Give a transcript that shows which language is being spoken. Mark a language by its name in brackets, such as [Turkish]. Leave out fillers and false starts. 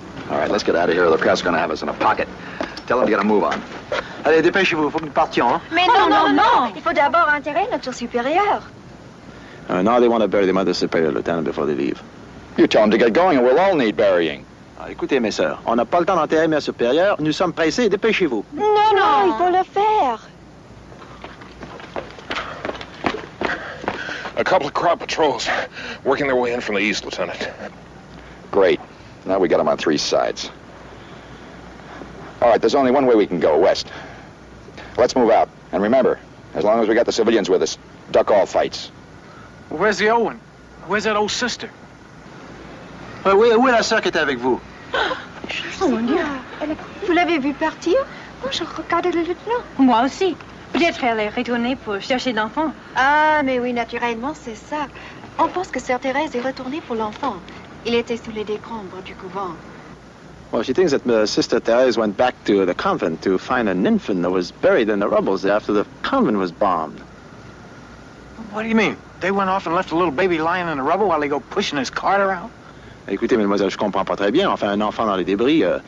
[English] All right, let's get out of here or the crowd's going to have us in a pocket. Tell them to get a move on. [French] Allez, dépêchez-vous, faut que nous partions. Mais non, non, non, non. Il faut d'abord enterrer notre supérieur. [English] Now they want to bury the mother superior, Lieutenant, before they leave. You tell them to get going and we'll all need burying. [French] Écoutez, mes sœurs, on n'a pas le temps d'enterrer ma supérieure. Nous sommes pressés, dépêchez-vous. Non, non, non, il faut le faire. [English] A couple of crowd patrols working their way in from the east, Lieutenant. Great. Now we got them on three sides. All right, there's only one way we can go, west. Let's move out. And remember, as long as we got the civilians with us, duck all fights. Where's the old one? Where's that old sister? [French] Où est la sœur qui est avec vous? Oh, mon Dieu! Vous l'avez vu partir? Moi, je regarde le lieutenant. Moi aussi. Peut-être elle est retournée pour chercher l'enfant. Ah, mais oui, naturellement, c'est ça. On pense que Sœur Thérèse est retournée pour l'enfant. Il était sous les décombres du couvent. [English] Well, she thinks that Sister Thérèse went back to the convent to find an infant that was buried in the rubbles after the convent was bombed. What do you mean? They went off and left a little baby lying in the rubble while they go pushing his cart around? [French] Écoutez, mademoiselle, je comprends pas très bien. Enfin, un enfant dans les débris.